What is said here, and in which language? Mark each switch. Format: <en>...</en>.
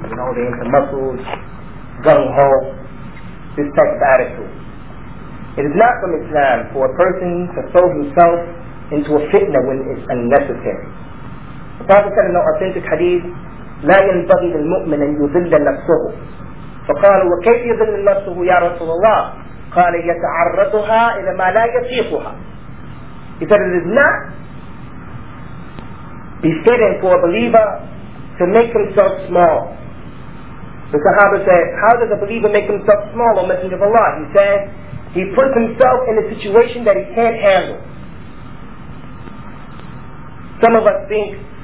<en>You know, they're into muscles, gung-ho, this type of attitude. It is not from Islam for a person to throw himself into a fitna when it's unnecessary. The Prophet said in the authentic hadith,</en> <ar>لا ينبغي للمؤمن أن يذل نفسه. فقالوا وكيف يذل نفسه يا رسول الله؟ قال يتعرضها إلى ما لا يطيقها.</ar> <en>He said it is not befitting for a believer to make himself small. The Sahaba said, "How does a believer make himself small, O Messenger of Allah?" He said, "He puts himself in a situation that he can't handle." Some of us think</en>